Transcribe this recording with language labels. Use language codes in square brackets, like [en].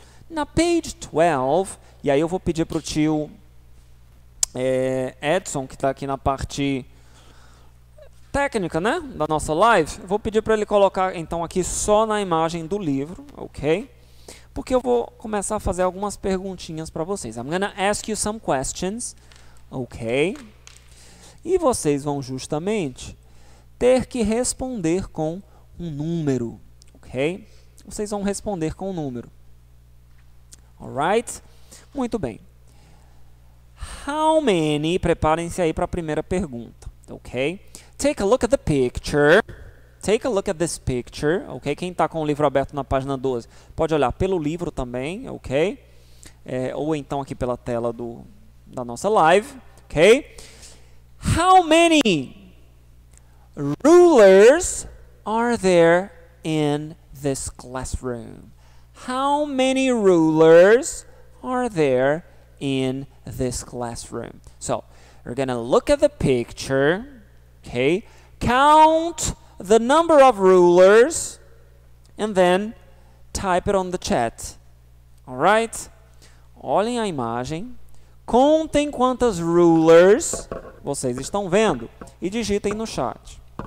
[pt] Na page 12, e aí eu vou pedir para o tio Edson, que está aqui na parte técnica, né, da nossa live, eu vou pedir para ele colocar, então, aqui só na imagem do livro, ok? Porque eu vou começar a fazer algumas perguntinhas para vocês. [en] I'm going to ask you some questions, ok? [pt] E vocês vão justamente ter que responder com um número, ok? Vocês vão responder com um número. [en] Alright? [pt] Muito bem. [en] How many? [pt] Preparem-se aí para a primeira pergunta, ok? [en] Take a look at the picture. Take a look at this picture, [pt] ok? Quem está com o livro aberto na página 12 pode olhar pelo livro também, ok? Ou então aqui pela tela da nossa live, ok? [en] How many rulers are there in this classroom? How many rulers are there in this classroom? So, we're going to look at the picture, okay? Count the number of rulers and then type it on the chat. All right? [pt] Olhem a imagem. Contem quantas rulers vocês estão vendo e digitem no chat.